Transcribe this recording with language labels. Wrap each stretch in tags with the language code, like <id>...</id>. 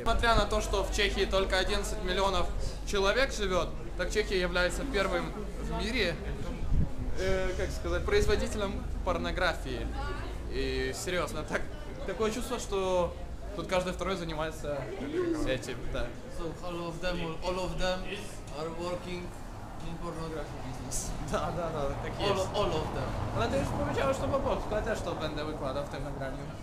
<ru>Несмотря на то, что в Чехии только 11 миллионов человек живет, так Чехия является первым в мире, как сказать, производителем порнографии. И серьезно, так, такое чувство, что тут каждый второй занимается этим. Да.</ru> <en>So all of them are working in pornography business.</en> <ru>Да, да, да, так есть.</ru> <en>All of them.</en> <uk>Але ти ж помічав, що попов, сказати, що Бенде викладав в Телеграмі.</uk>